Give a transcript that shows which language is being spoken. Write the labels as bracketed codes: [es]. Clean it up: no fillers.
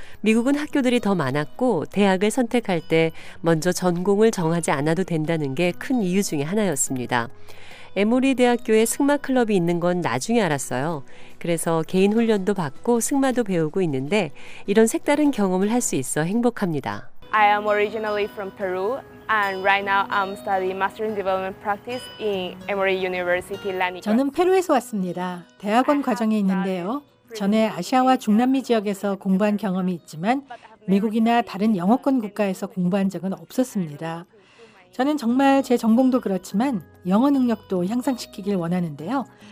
[ko] 미국은 학교들이 더 많았고 대학을 선택할 때 먼저 전공을 정하지 않아도 된다는 게 큰 이유 중에 하나였습니다. 에모리 대학교에 승마 클럽이 있는 건 나중에 알았어요. 그래서 개인 훈련도 받고 승마도 배우고 있는데 이런 색다른 경험을 할 수 있어 행복합니다. [en] I am originally from Peru and right now I'm studying Master in Development Practice in Emory University Lanigan. [ko] 저는 페루에서 왔습니다. 대학원 과정에 있는데요. 전에 아시아와 중남미 지역에서 공부한 경험이 있지만 미국이나 다른 영어권 국가에서 공부한 적은 없었습니다. 저는 정말 제 전공도 그렇지만 영어 능력도 향상시키길 원하는데요.